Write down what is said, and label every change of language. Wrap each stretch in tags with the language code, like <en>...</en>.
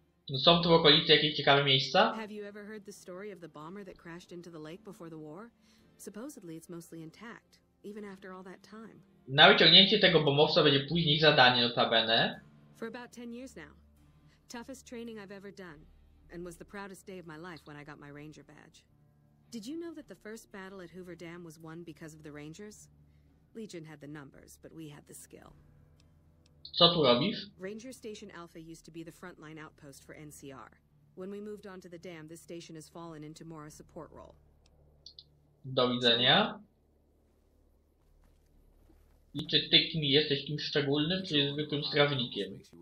<pl>No są tu w okolicy jakieś ciekawe miejsca?</pl> <en>Have you ever heard the story of the bomber that crashed into the lake before the war? Supposedly it's mostly intact, even after all that time.</en> <pl>Na wyciągnięcie tego bombowca będzie później zadanie, notabene.</pl> <en>For about 10 years now. Toughest training I've ever done. And was the proudest day of my life when I got my ranger badge. Did you know that the first battle at Hoover Dam was won because of the Rangers? Legion had the numbers, but we had the skill.</en> <pl>Co tu robisz?</pl> <en>Ranger Station Alpha used to be the frontline outpost for NCR. When we moved on to the dam, this station has fallen into more a support role.</en> <pl>Do widzenia. I czy ty kim jesteś, kim szczególnym, czy zwykłym strażnikiem?</pl>